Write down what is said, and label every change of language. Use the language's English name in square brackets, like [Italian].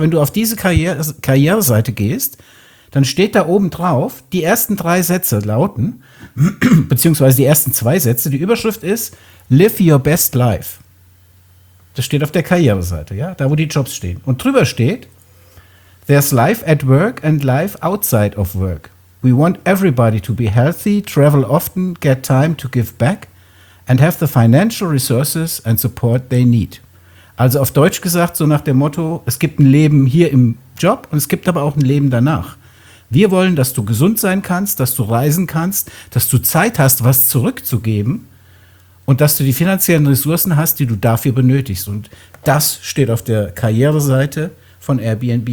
[German] Wenn du auf diese Karriere-Seite gehst, dann steht da oben drauf, die ersten 3 Sätze lauten, beziehungsweise die ersten 2 Sätze, die Überschrift ist, [English] live your best life. [German] Das steht auf der Karriereseite, ja, da wo die Jobs stehen. Und drüber steht, [English] there's life at work and life outside of work. We want everybody to be healthy, travel often, get time to give back and have the financial resources and support they need. [German] Also auf Deutsch gesagt, so nach dem Motto, es gibt ein Leben hier im Job und es gibt aber auch ein Leben danach. Wir wollen, dass du gesund sein kannst, dass du reisen kannst, dass du Zeit hast, was zurückzugeben und dass du die finanziellen Ressourcen hast, die du dafür benötigst. Und das steht auf der Karriereseite von Airbnb.